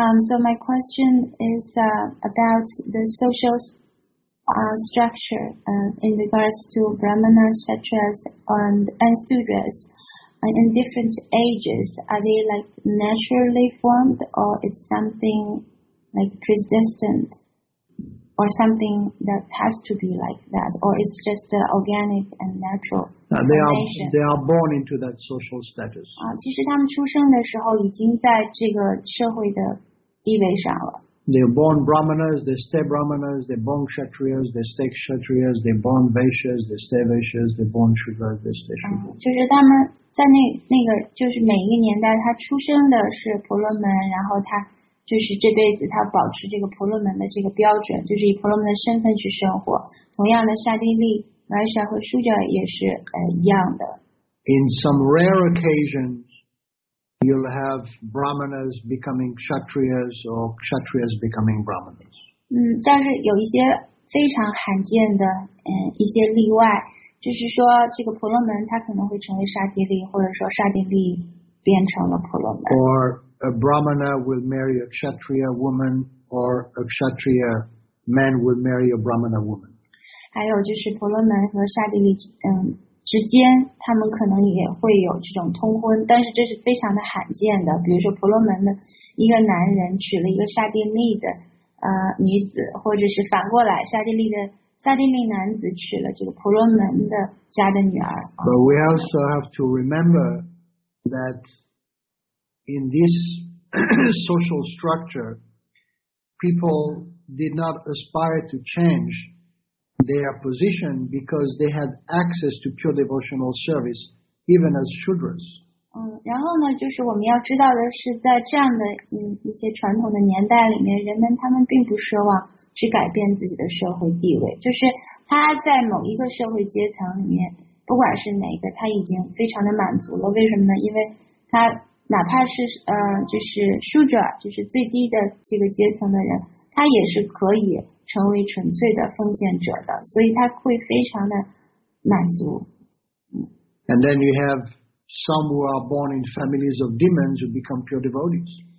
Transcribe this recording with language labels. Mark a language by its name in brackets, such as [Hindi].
[English] So my question is about the social structure in regards to Brahmanas, Kshatriyas, and Sudras. In different ages, are they like naturally formed or is something like persistent or something that has to be like that, or it's just organic and natural. They are born into that social status. [Chinese] 其实他们出生的时候已经在这个社会的地位上了。 [English] They are born Brahmanas, they stay Brahmanas, they are born Kshatriyas, they stay Kshatriyas, they are born Vaishyas, they stay Vaishyas, they are born Shudras, they stay Shudras. [Chinese] 就是他们在那个就是每一个年代他出生的是婆罗门，然后他就是这辈子他保持这个婆罗门的这个标准，就是以婆罗门的身份去生活。同样的，刹帝利、Vaishya和 Shudra 也是一样的。 [English] In some rare occasions,you'll have Brahmanas becoming Kshatriyas or Kshatriyas becoming Brahmanas. [Chinese] 但是有一些非常罕见的一些例外，就是说这个婆罗门他可能会成为刹帝利，或者说刹帝利变成了婆罗门。 [English] Or a Brahmana will marry a Kshatriya woman, or a Kshatriya man will marry a Brahmana woman. [Chinese] 还有就是婆罗门和刹帝利之间他们可能也会有这种通婚，但是这是非常的罕见的。比如说婆罗门的一个男人娶了一个刹帝利的女子，或者是反过来，刹帝利男子娶了这个婆罗门的家的女儿。 [English] But we also have to remember that in this social structure, people did not aspire to change. Their position because they had access to pure devotional service, even as Shudras. [Chinese] 然后呢，就是我们要知道的是，在这样的一些传统的年代里面，人们他们并不奢望去改变自己的社会地位。就是他在某一个社会阶层里面，不管是哪个，他已经非常的满足了。为什么呢？因为他哪怕是就是 Shudra， 就是最低的这个阶层的人，他也是可以。成为纯粹的奉献者的，所以他会非常的满足。 [English] And then you have some who are born in families of demons who become pure devotees.